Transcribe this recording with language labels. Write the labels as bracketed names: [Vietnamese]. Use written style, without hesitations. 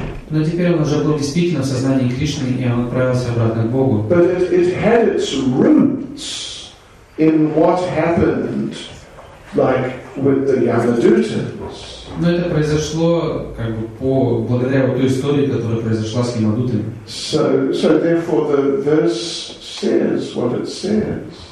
[Russian] Но теперь он уже был действительно в сознании Кришны, и он отправился обратно к Богу. [English] But it had its roots in what happened, like with the Yamadutas. [Russian] Но это произошло как бы благодаря той истории, которая произошла с Ямадутами. [English] So therefore the verse says what it says.